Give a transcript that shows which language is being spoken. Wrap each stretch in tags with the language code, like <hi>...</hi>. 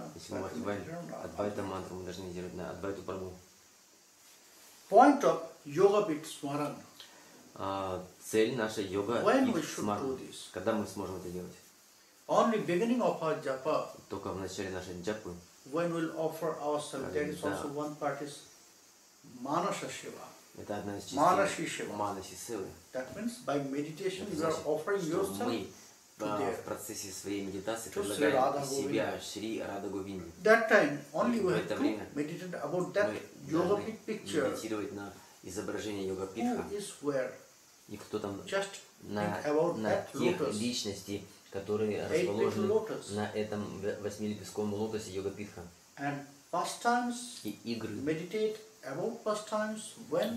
<ru>Если мы воспеваем Адвайта мантру, мы должны медитировать на Адвайту Прабху.</ru> <en>Point of yoga with smaran.</en> <ru>Цель нашей йога.</ru> <en>When we should do this?</en> <ru>Когда мы сможем это делать?</ru> <en>Only beginning of our japa.</en> <ru>Только в начале нашей джапы.</ru> <en>When we'll offer ourselves? There is also one part is manasa shiva.</en> <ru>Это одна из частей.</ru> <sa>Manasi shiva.</sa> <ru>Manasi силы.</ru> <en>That means by meditation you are offering yourself.</en> <ru>В процессе своей медитации предлагаем себя Шри Рада Говинде.</ru> <en>That time only we have to meditate about that yoga pit picture.</en> <ru>Мы должны медитировать на изображение йога питха.</ru> <en>Who is where?</en> <ru>И кто там?</ru> <en>Just</en> <ru>на тех личности, которые расположены на этом восьмилепестковом лотосе йога питха.</ru> <en>And pastimes.</en> <ru>И игры.</ru> <en>Meditate about pastimes when.</en>